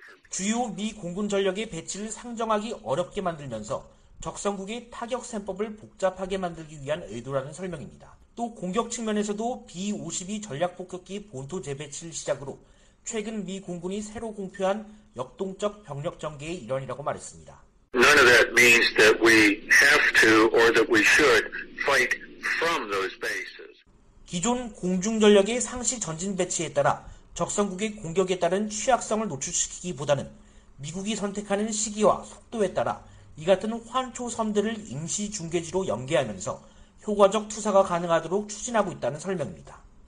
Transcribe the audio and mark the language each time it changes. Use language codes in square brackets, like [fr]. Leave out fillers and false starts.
[ko] 주요 미 공군 전력의 배치를 상정하기 어렵게 만들면서 적성국의 타격 셈법을 복잡하게 만들기 위한 의도라는 설명입니다. 또 공격 측면에서도 B-52 전략폭격기 본토 재배치를 시작으로 최근 미 공군이 새로 공표한 역동적 병력 전개의 일환이라고 말했습니다. [en] None of that means that we have to or that we should fight from those bases. [ko] 기존 공중전력의 상시 전진 배치에 따라 적성국의 공격에 따른 취약성을 노출시키기보다는 미국이 선택하는 시기와 속도에 따라 이 같은 환초섬들을 임시 중계지로 연계하면서 효과적 투사가 가능하도록 추진하고 있다는 설명입니다.